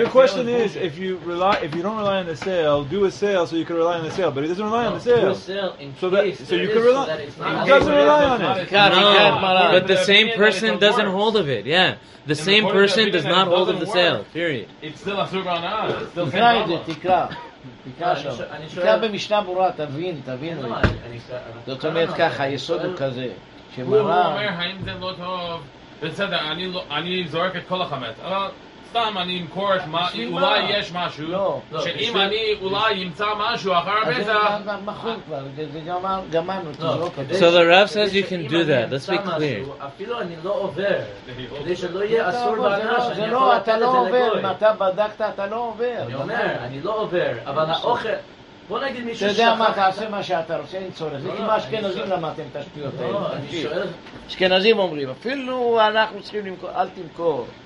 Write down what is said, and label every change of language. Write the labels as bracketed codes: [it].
[en] Your question is, if you don't rely on the sale, do a sale so you can rely on the sale. But he doesn't rely on the sale. So you can rely on it. But the same person doesn't hold of it. Yeah. The same person does not hold of the sale. Period. It's still a surah on us. It's still a surah. [he] תקרא במשנה ברורה, תבין, תבינו. זאת אומרת ככה, היסוד הוא כזה. הוא אומר, האם זה לא טוב? בסדר, אני זורק את כל החמץ. אבל סתם, אני אמכור את מה, אולי יש משהו, שאם אני אולי אמצא משהו אחר הפסח... אז זה מחול כבר, גמרנו, תזרוק. [en] So the Rav says you can do that, let's be clear. [he] אפילו אני לא עובר, כדי שלא יהיה אסור בהנאה, זה לא, אתה לא עובר, אם אתה בדקת, אתה לא עובר. אני אומר, אני לא עובר, אבל האוכל... בוא נגיד מישהו שחק... אתה יודע מה, תעשה מה שאתה רוצה, אין צורך. זה כמו אשכנזים למדתם את השטויות האלה. אשכנזים אומרים, אפילו אנחנו צריכים למכור, אל תמכור.